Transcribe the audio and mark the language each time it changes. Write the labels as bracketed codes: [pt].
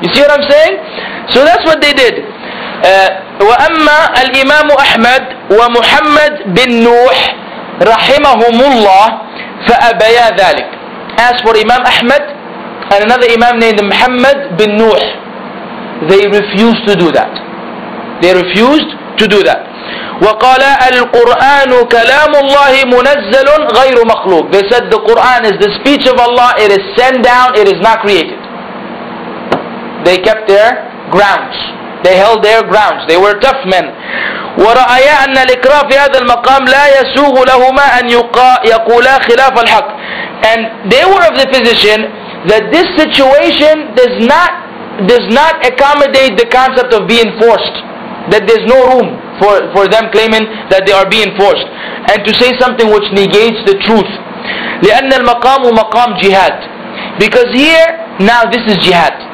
[en] You see what I'm saying? So that's what they did. [ar] وَأَمَّا الْإِمَامُ أَحْمَدْ وَمُحَمَّدْ بِن نُوح رَحِمَهُمُ اللَّهِ فأبيا ذلك. [en] As for Imam Ahmad and another Imam named Muhammad bin Nuh, they refused to do that. They refused to do that. [ar] وقال القرآن كلام الله منزل غير مخلوق. [en] They said the Quran is the speech of Allah. It is sent down. It is not created. They kept their grounds. They held their grounds. They were tough men. [ar] ورأيا أن الإكراه في هذا المقام لا يسوغ لهما أن يقولا خلاف الحق. [en] And they were of the position that this situation does not accommodate the concept of being forced. That there's no room for them claiming that they are being forced and to say something which negates the truth. [ar] لأن المقام مقام جهاد. [en] Because here, now this is jihad.